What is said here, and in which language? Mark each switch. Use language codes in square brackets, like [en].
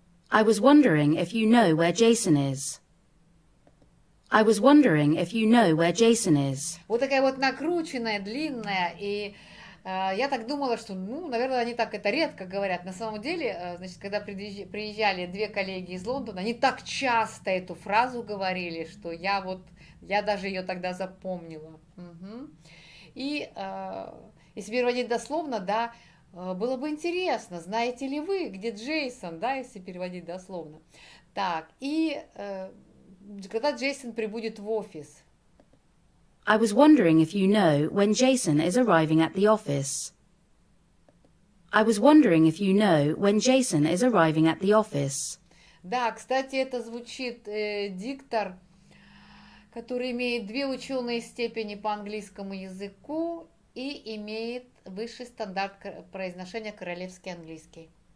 [en] I was wondering if you know where Jason is. I was wondering if you know where Jason is. [ru] Вот такая вот накрученная, длинная, и я так думала, что, ну, наверное, они так это редко говорят. На самом деле, значит, когда приезжали две коллеги из Лондона, они так часто эту фразу говорили, что я вот я даже ее тогда запомнила. Угу. И если переводить дословно, да, было бы интересно, знаете ли вы, где Джейсон, да, если переводить дословно. Так, и когда Джейсон прибудет в офис? [en] I was wondering if you know when Jason is arriving at the office. I was wondering if you know when Jason is arriving at the office. [ru] Да, кстати, это звучит диктор, который имеет две ученые степени по английскому языку и имеет высший стандарт произношения королевский английский.